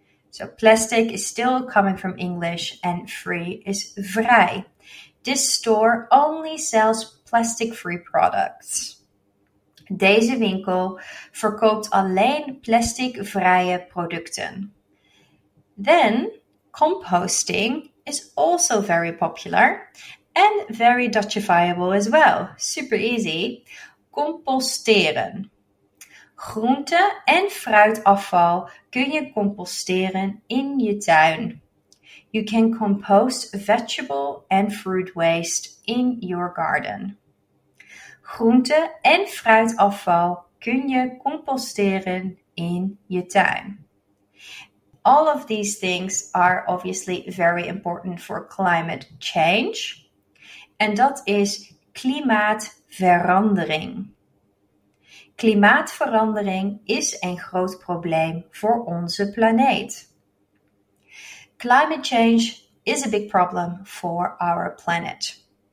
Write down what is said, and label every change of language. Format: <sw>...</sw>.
<en>So plastic is still coming from English and free is vrij. This store only sells plastic free products.</en> <nl>Deze winkel verkoopt alleen plastic vrije producten.</nl> <en>Then composting is also very popular and very Dutchifiable as well. Super easy.</en> <nl>Composteren. Groente en fruitafval kun je composteren in je tuin.</nl> <en>You can compost vegetable and fruit waste in your garden.</en> <nl>Groente en fruitafval kun je composteren in je tuin.</nl> <en>All of these things are obviously very important for climate change.</en> <nl>En dat is klimaatverandering. Klimaatverandering is een groot probleem voor onze planeet.</nl> <en>Climate change is a big problem for our planet.</en>